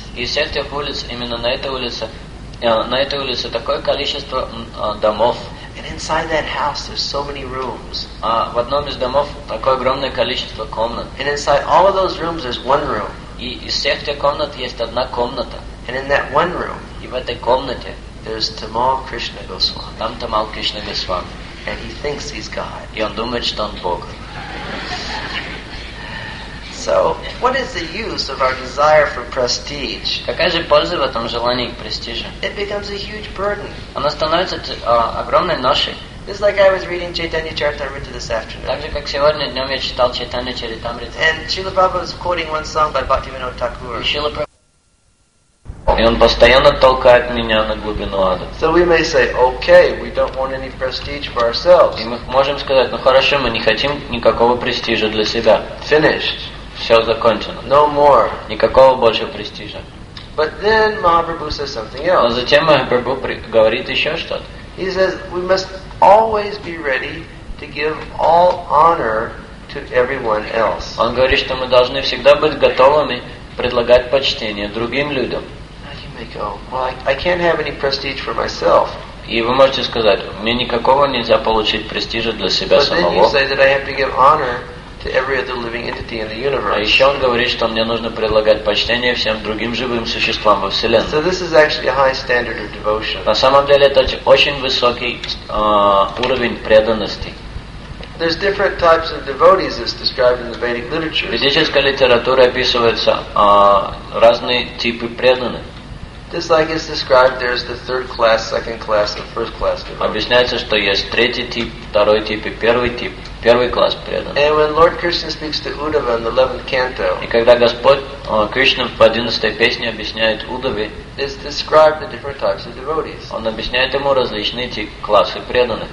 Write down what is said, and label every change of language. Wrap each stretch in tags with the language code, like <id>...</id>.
<ru>И с этих улиц, именно на этой улице такое количество домов.</ru> <en>And inside that house, there's so many rooms.</en> <ru>А в одном из домов такое огромное количество комнат.</ru> <en>And inside all of those rooms, there's one room.</en> <ru>И из всех тех комнат есть одна комната.</ru> <en>And in that one room,</en> <ru>и в этой комнате,</ru> <en>there's Tamal Krishna Goswami.</en> <ru>Там Тамал Кришна Госвами.</ru> <en>And he thinks he's God.</en> <ru>И он думает, что он Бог.</ru> <en>So, what is the use of our desire for prestige?</en> <ru>Какая же польза в этом желании престижа?</ru> <en>It becomes a huge burden.</en> <ru>Оно становится огромной ношей.</ru> <en>It's like I was reading Chaitanya Charitamrita this afternoon.</en> <ru>Так же, как сегодня днем я читал Чайтанья Чаритамриту.</ru> <en>And Srila Prabhupada was quoting one song by Bhaktivinoda Thakur.</en> <ru>И он постоянно толкает меня на глубину ада.</ru> <en>So we may say, okay, we don't want any prestige for ourselves.</en> <ru>И мы можем сказать, ну хорошо, мы не хотим никакого престижа для себя.</ru> <en>Finished.</en> <ru>Все закончено.</ru> <en>No more.</en> <ru>Никакого больше престижа.</ru> <en>But then Mahaprabhu says something else.</en> <ru>Но затем Махапрабху говорит еще что-то.</ru> <en>He says we must always be ready to give all honor to everyone else.</en> <ru>Он говорит, что мы должны всегда быть готовыми предлагать почтение другим людям.</ru> <en>And you may go, well, I can't have any prestige for myself.</en> <ru>И вы можете сказать, мне никакого нельзя получить престижа для себя</ru> <en>But</en> <ru>самого.</ru> <en>But then you say that I have to give honor. To every other living entity in the universe.</en> <ru>А еще он говорит, что мне нужно предлагать почтение всем другим живым существам во Вселенной.</ru> <en>So this is actually a high standard of devotion.</en> <ru>На самом деле это очень высокий уровень преданности.</ru> <en>There's different types of devotees as described in the Vedic literature.</en> <ru>Ведическая литература описывается разные типы преданных.</ru> <en>Just like it's described, there's the third class, second class, and first class devotees.</en> <ru>Объясняется, что есть третий тип, второй тип и первый тип. Первый класс преданных.</ru> <en>And when Lord Krishna speaks to Uddhava in the 11th canto,</en> <ru>и когда Господь Кришна в 11-й песне объясняет Удаве,</ru> <en>it's described the different types of devotees.</en> <ru>Он объясняет ему различные типы классы преданных.</ru>